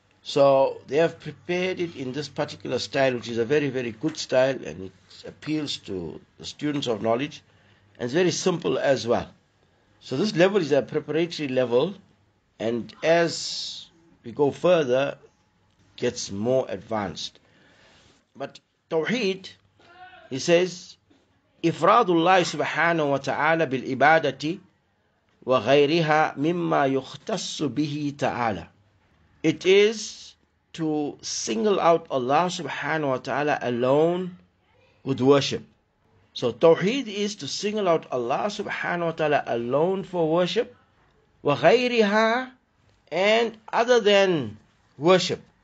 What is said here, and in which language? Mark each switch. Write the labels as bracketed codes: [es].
[en] So they have prepared it in this particular style, which is a very, very good style, and it appeals to the students of knowledge, and it's very simple as well. So this level is a preparatory level, and as we go further, gets more advanced. But Tawheed, he says, [ar] إِفْرَادُ اللَّهِ وَتَعَالَى بِالْإِبَادَةِ وَغَيْرِهَا مِمَّا يُخْتَصُ بِهِ تَعَالَى. [en] It is to single out Allah subhanahu wa ta'ala alone with worship. So Tawheed is to single out Allah subhanahu wa ta'ala alone for worship. [ar] وَغَيْرِهَا, [en] and other than worship.